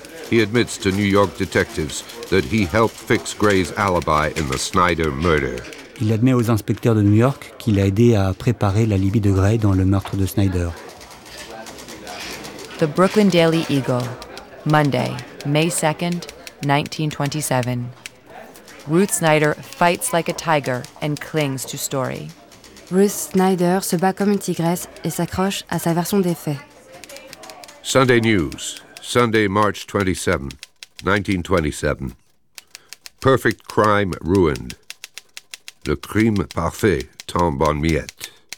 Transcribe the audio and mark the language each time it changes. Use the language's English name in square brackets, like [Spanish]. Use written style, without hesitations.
[English] He admits to New York detectives that he helped fix Gray's alibi in the Snyder murder. [French] Il admet aux inspecteurs de New York qu'il a aidé à préparer l'alibi de Gray dans le meurtre de Snyder. [English] The Brooklyn Daily Eagle, Monday, May 2nd, 1927. Ruth Snyder fights like a tiger and clings to story. [French] Ruth Snyder se bat comme une tigresse et s'accroche à sa version des faits. [English] Sunday News, Sunday, March 27, 1927. Perfect crime ruined. [French] Le crime parfait tombe en miettes.